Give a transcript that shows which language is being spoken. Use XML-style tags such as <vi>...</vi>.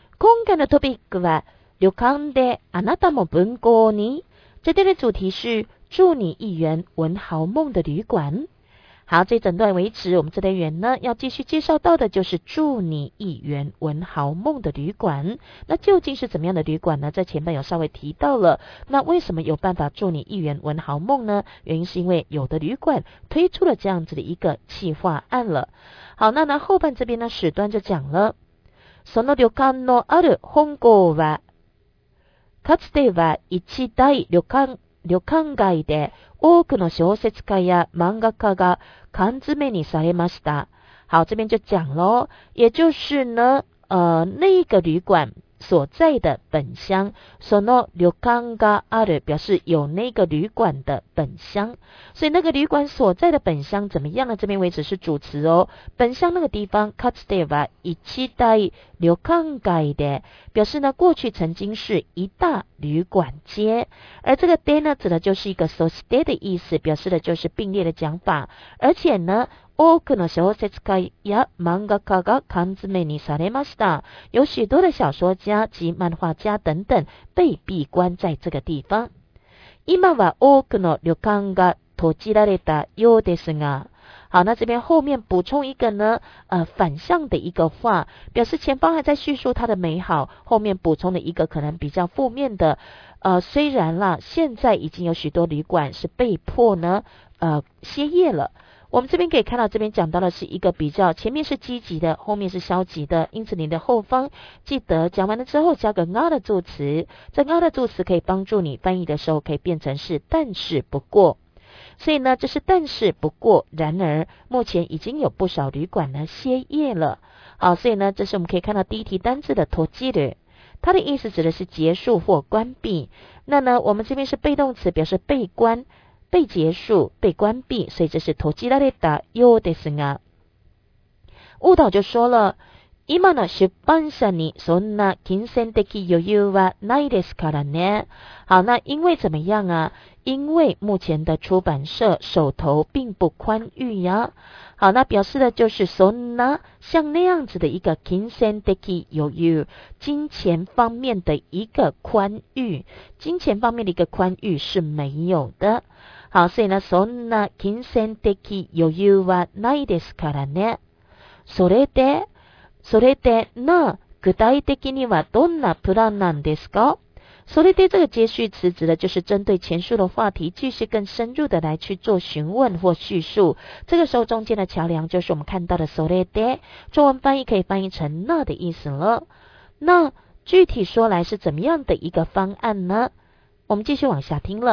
<ja>今回のトピックは、旅館であなたも文豪に。</ja> <zh>这段的主题是祝你一圆文豪梦的旅馆。好，这整段为止，我们这单元呢要继续介绍到的就是祝你一圆文豪梦的旅馆。那究竟是怎么样的旅馆呢？在前半有稍微提到了。那为什么有办法祝你一圆文豪梦呢？原因是因为有的旅馆推出了这样子的一个企划案了。好，那后半这边呢，始端就讲了。</zh> <ja>その旅館のある本郷はかつては一大旅館街で多くの小説家や漫画家が缶詰にされました。</ja> <zh>好，这边就讲咯，也就是呢，那个旅馆所在的本乡，</zh> <ja>その旅館がある</ja> <zh>表示有那个旅馆的本乡，所以那个旅馆所在的本乡怎么样呢？这边为止是主词哦，本乡那个地方</zh> <ja>かつては一大旅館街で</ja> <zh>表示呢过去曾经是一大旅馆街，而这个で呢指的就是一个そして的意思，表示的就是并列的讲法，而且呢</zh> <ja>多くの小説家や漫画家が缶詰にされました。</ja> <zh>有许多的小说家及漫画家等等被闭关在这个地方。</zh> <ja>今は多くの旅館が閉じられたようですが。</ja> <zh>好，那这边后面补充一个呢，反向的一个话，表示前方还在叙述它的美好，后面补充了一个可能比较负面的，虽然啦，现在已经有许多旅馆是被迫呢，歇业了。我们这边可以看到，这边讲到的是一个比较，前面是积极的，后面是消极的，因此你的后方记得讲完了之后加个啊的助词，这啊的助词可以帮助你翻译的时候可以变成是但是不过，所以呢这是但是不过，然而目前已经有不少旅馆呢歇业了。好，所以呢这是我们可以看到第一题单字的閉じる，它的意思指的是结束或关闭。那呢我们这边是被动词，表示被关被结束被关闭，所以这是</zh> <ja>閉じられたようですが。</ja> <zh>悟道就说了，</zh> <ja>今の出版社にそんな金銭的余裕はないですからね。</ja> <zh>好，那因为怎么样啊，因为目前的出版社手头并不宽裕呀。好，那表示的就是</zh> <ja>そんな，</ja> <zh>像那样子的一个</zh> <ja>金銭的余裕，</ja> <zh>金钱方面的一个宽裕，金钱方面的一个宽裕是没有的。好，所以呢</zh> <ja>そんな金銭的余裕はないですからね。それで那具体的にはどんなプランなんですか。</ja> <zh>それで这个接续词指的就是针对前述的话题继续更深入的来去做询问或叙述，这个时候中间的桥梁就是我们看到的それで，中文翻译可以翻译成那的意思了。那具体说来是怎么样的一个方案呢？我们继续往下听了。</zh>